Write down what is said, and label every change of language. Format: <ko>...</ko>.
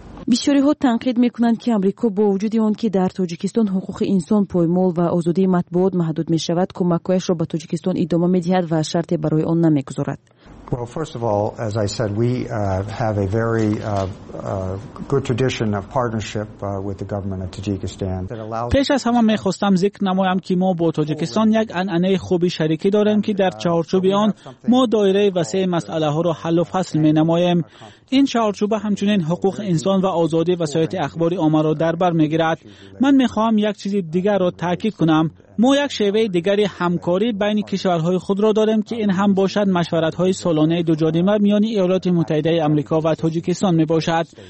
<fa>بسیاری ها تنقید میکنند که آمریکا با وجود آن که در تاجیکستان حقوق انسان پایمال و آزادی مطبوعات محدود می شود کمک‌هایش را به تاجیکستان ادامه می دهد و شرطی برای آن نمی گذارد.</fa> <en>Well, first of all, as I said, we have a very good tradition of partnership with the government of Tajikistan.</en> <fa>پیش از همه می‌خواستم ذکر نمایم که ما با تاجیکستان یک عنعنه خوبی شریکی داریم که در چهارچوب آن ما دایره وسیع مسئله ها را حل و فصل می نماییم. این چهارچوبه همچنین حقوق انسان و آزادی و سایت اخباری آمار را در بر می گیرد. من می خواهم یک چیز دیگر را تاکید کنم. ما یک شیوه دیگری همکاری بین کشورهای خود را داریم که این هم باشد مشورت‌های سالانه دو جانبه میان ایالات متحده آمریکا و تاجیکستان می باشد.</fa>